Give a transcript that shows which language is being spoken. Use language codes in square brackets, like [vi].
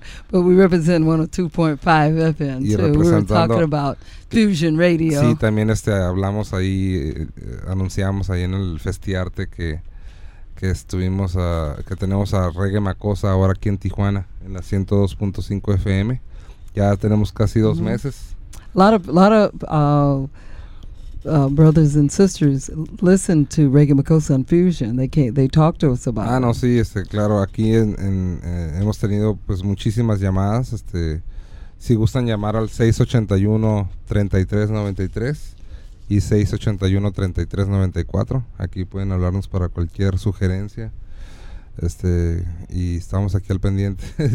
[en] But we represent 102.5 FM, y too. We were talking about Fusion Radio. [es] Sí, también hablamos ahí, anunciamos ahí en el Festiarte que que estuvimos a, que tenemos a Reggae Macosa ahora aquí en Tijuana en la 102.5 FM. Ya tenemos casi dos meses. [en] A lot of brothers and sisters listen to Reggae Macosa and Fusion. They talk to us about. [es] Ah, no, sí, claro, aquí hemos tenido pues muchísimas llamadas, si gustan llamar al 681-3393 y 681-3394. Aquí pueden hablarnos para cualquier sugerencia. Y estamos aquí al pendiente.